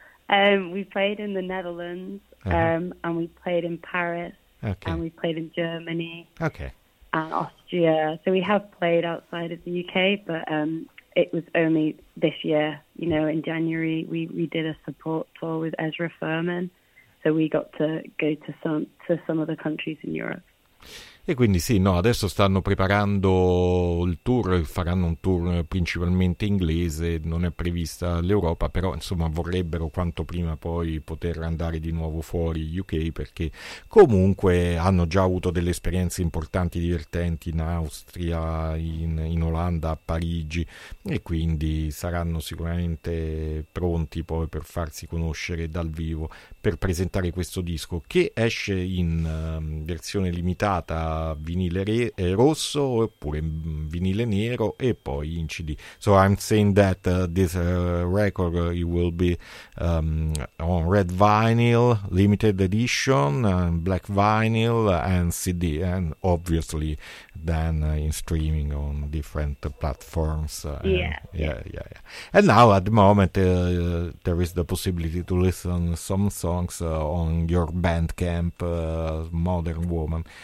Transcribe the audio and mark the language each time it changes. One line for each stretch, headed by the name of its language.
English: We played in the Netherlands, and we played in Paris, and we played in Germany, and Austria. So we have played outside of the UK, but it was only this year, you know, in January, we did a support tour with Ezra Furman, so we got to go to some of the countries in Europe.
Italian: E quindi sì, no, adesso stanno preparando il tour, faranno un tour principalmente inglese, non è prevista l'Europa, però insomma vorrebbero quanto prima poi poter andare di nuovo fuori UK, perché comunque hanno già avuto delle esperienze importanti, divertenti in Austria, in Olanda, a Parigi, e quindi saranno sicuramente pronti poi per farsi conoscere dal vivo, per presentare questo disco, che esce in versione limitata vinile rosso oppure vinile nero e poi in CD.
English: So I'm saying that this record it will be on red vinyl, limited edition, black vinyl and CD, and obviously then in streaming on different platforms. And now at the moment there is the possibility to listen some songs on your Bandcamp, Modern Woman.